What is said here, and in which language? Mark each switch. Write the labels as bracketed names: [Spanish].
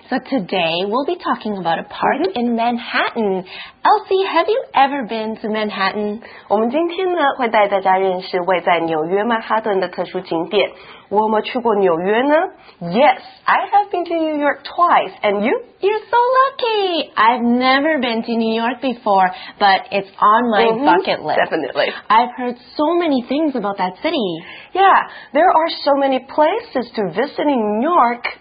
[English] So today we'll be talking about a park in Manhattan. Elsie, have you ever been to Manhattan? [Chinese] 我们今天呢会带大家认识位在纽约曼哈顿的特殊景点。我们去过纽约呢 [English] ？Yes, I have been to New York twice. And you? You're so lucky. I've never been to New York before, but it's on my bucket list. Definitely. I've heard so many things about that city. Yeah, there are so many places to visit in New York.